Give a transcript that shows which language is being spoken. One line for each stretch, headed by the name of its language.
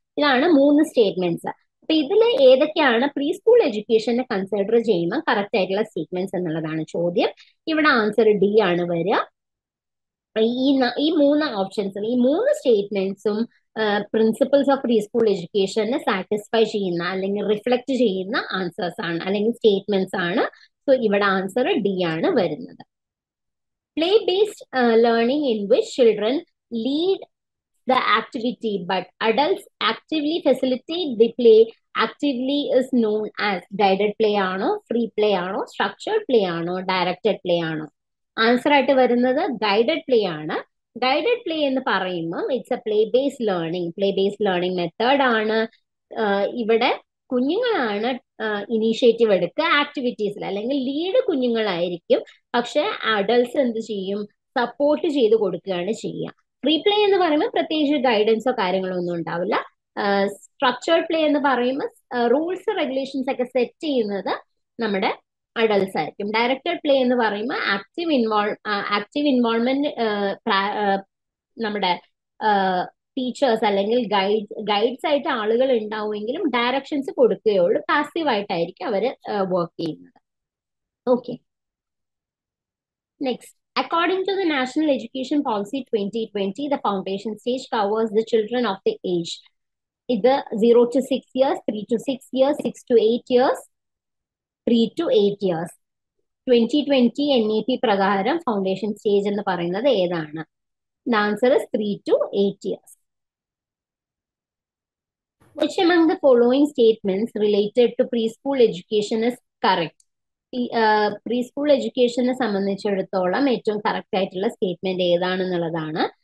Malayalam: ഇതാണ് മൂന്ന് സ്റ്റേറ്റ്മെന്റ്സ്. അപ്പൊ ഇതിൽ ഏതൊക്കെയാണ് പ്രീ സ്കൂൾ എഡ്യൂക്കേഷനെ കൺസിഡർ ചെയ്യുമ്പോൾ കറക്റ്റ് ആയിട്ടുള്ള സ്റ്റേറ്റ്മെന്റ്സ് എന്നുള്ളതാണ് ചോദ്യം. ഇവിടെ ആൻസർ ഡി ആണ് വരിക. ഈ മൂന്ന് ഓപ്ഷൻസും ഈ മൂന്ന് സ്റ്റേറ്റ്മെന്റ്സും principles of pre school എഡ്യൂക്കേഷനെ satisfy ചെയ്യുന്ന അല്ലെങ്കിൽ റിഫ്ലക്ട് ചെയ്യുന്ന ആൻസേഴ്സ് ആണ് അല്ലെങ്കിൽ സ്റ്റേറ്റ്മെന്റ്സ് ആണ്. സോ ഇവിടെ ആൻസർ ഡി ആണ് വരുന്നത്.
English: play based learning in which children lead the activity but adults actively facilitate the play actively is known as guided play
Malayalam: ano,
English: free play ano, structured play ano, directed play ano. Answer
Malayalam: aayittu varunathu
English: guided play
Malayalam: ano.
English: Guided play
Malayalam: ennu parayumbum
English: it's a play based learning, play based learning method ano.
Malayalam: Ivide കുഞ്ഞുങ്ങളാണ് initiative എടുക്കുക ആക്ടിവിറ്റീസിൽ, അല്ലെങ്കിൽ lead കുഞ്ഞുങ്ങളായിരിക്കും, പക്ഷെ adults എന്ത് ചെയ്യും, support ചെയ്ത് കൊടുക്കുകയാണ് ചെയ്യുക. Free play എന്ന് പറയുമ്പോൾ പ്രത്യേകിച്ച് ഗൈഡൻസോ കാര്യങ്ങളോ ഒന്നും ഉണ്ടാവില്ല. സ്ട്രക്ചേർഡ് പ്ലേ എന്ന് പറയുമ്പോൾ റൂൾസ് റെഗുലേഷൻസ് ഒക്കെ സെറ്റ് ചെയ്യുന്നത് നമ്മുടെ അഡൽസ് ആയിരിക്കും. ഡയറക്റ്റഡ് പ്ലേ എന്ന് പറയുമ്പോൾ ആക്റ്റീവ് ഇൻവോൾവ്മെന്റ് നമ്മുടെ ടീച്ചേഴ്സ് അല്ലെങ്കിൽ ഗൈഡ്സ് ആയിട്ട് ആളുകൾ ഉണ്ടാവുമെങ്കിലും ഡയറക്ഷൻസ് കൊടുക്കുകയുള്ളൂ, പാസീവ് ആയിട്ടായിരിക്കും അവർ വർക്ക് ചെയ്യുന്നത്.
English: Okay, next. According to the national education policy 2020, the foundation stage covers the children of the age. ഇത് 0 to 6 years, 3 to 6 years, 6 to 8 years, 3 to 8 years.
Malayalam: 2020 NEP പ്രകാരം foundation stage എന്ന് പറയുന്നത് ഏതാണ്?
English: The answer is 3 to 8 years. Which among the following statements related to preschool education is correct?
Malayalam: Pre school എഡ്യൂക്കേഷനെ സംബന്ധിച്ചിടത്തോളം ഏറ്റവും correct ആയിട്ടുള്ള statement ഏതാണെന്നുള്ളതാണ്.